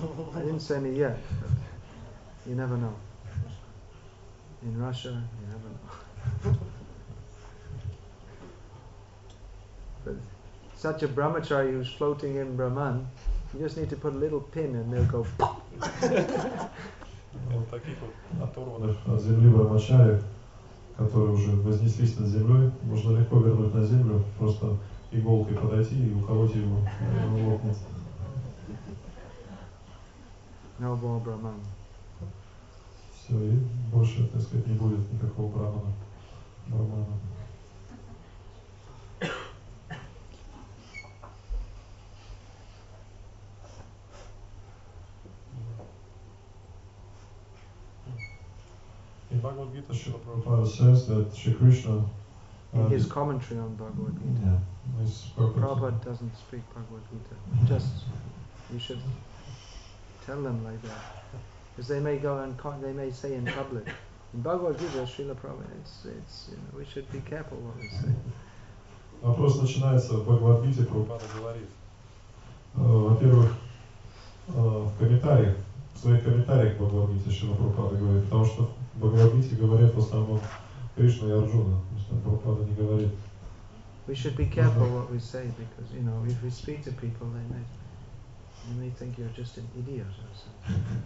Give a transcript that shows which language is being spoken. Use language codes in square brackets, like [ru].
[en] Well, I didn't say any yet, but you never know. In Russia, you never know. But such a Brahmachari who's floating in Brahman, you just need to put a little pin and they'll go pop. [ru] Вот таких вот оторванных от земли Брахмачари, которые уже вознеслись над землей, можно легко вернуть на землю, просто иголкой подойти и уколоть его, и он лопнет. [en] No more Brahman. [ru] Все, и больше, так сказать, не будет никакого Брахмана. Нормально. [en] Bhagavad Gita, Srila Prabhupada says that Sri Krishna... In his commentary on Bhagavad Gita. Yeah, Prabhupada doesn't speak Bhagavad Gita. Just, you should tell them like that. Because they may go and they may say in public, in Bhagavad Gita, Srila Prabhupada, it's, you know, we should be careful what we say. [ru] Вопрос начинается в Бхагавад Гите, Прабхупада говорит. Во-первых, в комментариях, в своих комментариях к Бхагавад Гите Шрила Прабхупада говорит, потому что в Бхагавад Гите говорят в основном Кришна и Арджуна, то есть там Прабхупада не говорит. [en] We should be careful what we say, because, you know, if we speak to people, they may think you're just an idiot or something.